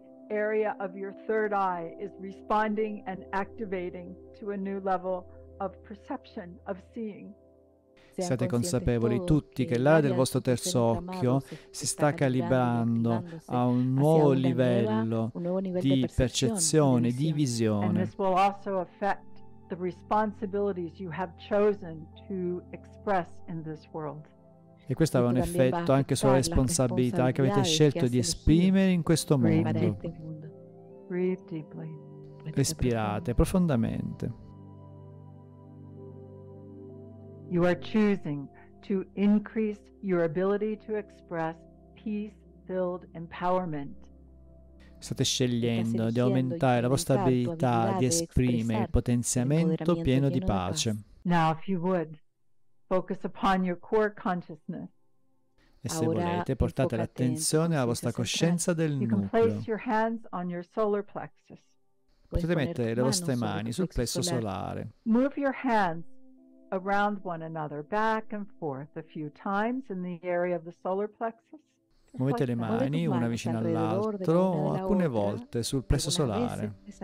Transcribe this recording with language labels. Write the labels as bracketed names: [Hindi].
[Italian] L'area del vostro terzo occhio sta rispondendo e attivando a un nuovo livello. [English] Of perception, of seeing. [Italian] Siate consapevoli tutti che l'area del vostro terzo occhio si sta calibrando a un nuovo livello di percezione, di visione. [English] And this will also affect the responsibilities you have chosen to express in this world. [Italian] E questo avrà un effetto anche sulla responsabilità che avete scelto di esprimere in questo mondo. [English] Breathe deeply. [Italian] Respirate profondamente. [English] You are choosing to increase your ability to express peace-filled empowerment. [Italian] State scegliendo di aumentare la vostra abilità di esprimere il potenziamento pieno di pace. [English] Now, if you would, focus upon your core consciousness. [Italian] E se volete, portate l'attenzione alla vostra coscienza del nucleo. [English] You can place your hands on your solar plexus. [Italian] Potete mettere le vostre mani sul plesso solare. [English] Move your hands around one another, back and forth a few times in the area of the solar plexus. [Italian] Muovete le mani una vicino all'altro alcune volte sul plesso solare.